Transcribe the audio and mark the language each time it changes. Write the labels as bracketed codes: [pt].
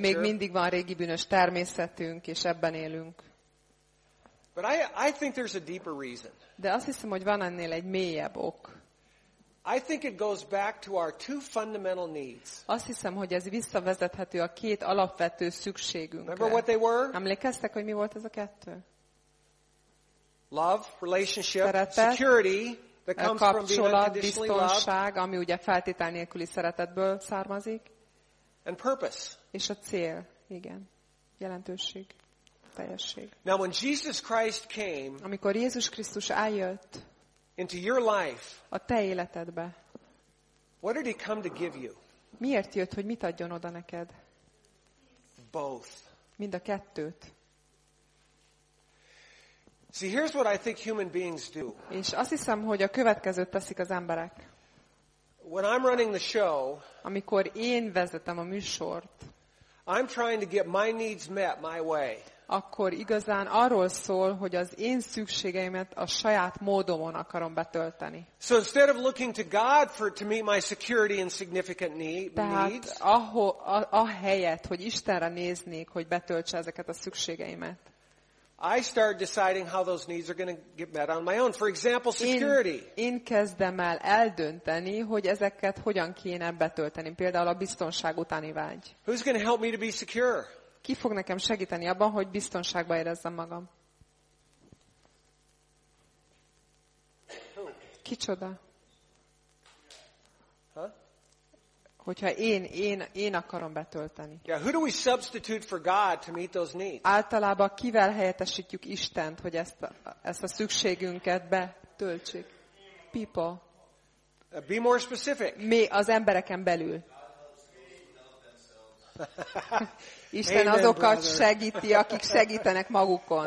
[hu] Még mindig van régi bűnös természetünk, és ebben élünk. [en] But I think there's a deeper reason. [hu] De azt hiszem, hogy van ennél egy mélyebb ok. [en] I think it goes back to our two fundamental needs. [hu] Azt hiszem, hogy ez visszavezethető a két alapvető szükségünkre. [en] Remember what they were? [hu] Emlékeztek, hogy mi volt ez a kettő? [en] Love, relationship, [hu] szeretet, [en] security. [hu] A kapcsolat, biztonság, ami ugye feltétel nélküli szeretetből származik. [en] And purpose. [hu] És a cél, igen, jelentőség, teljesség. [en] Now when Jesus Christ came, [hu] amikor Jézus Krisztus eljött [en] into your life, [hu] a te életedbe, [en] what did he come to give you? [hu] Miért jött, hogy mit adjon oda neked? [en] Both. [hu] Mind a kettőt. [en] See, here's what I think human beings do. [hu] És azt hiszem, hogy a következőt teszik az emberek. [en] When I'm running the show, [hu] amikor én vezetem a műsort, [en] I'm trying to get my needs met my way. [hu] Akkor igazán arról szól, hogy az én szükségeimet a saját módomon akarom betölteni. [en] So instead of looking to God to meet my security and significant needs, [hu] ahelyett, hogy Istenre néznék, hogy betöltse ezeket a szükségeimet, [en] I start deciding how those needs are going to get met on my own. For example, security. [hu] Én kezdem el eldönteni, hogy ezeket hogyan kéne betölteni. Például a biztonság utáni vágy. Who's going to help me to be secure? Ki fog nekem segíteni abban, hogy biztonságban érezzem magam? Kicsoda? Hogyha én akarom betölteni. [en] Yeah, who do we substitute for God to meet those needs? [hu] Általában kivel helyettesítjük Istent, hogy ezt a szükségünket betöltsük? [en] People. Be more specific. [hu] Mi az embereken belül? Isten Amen, azokat brother. Segíti, akik segítenek magukon.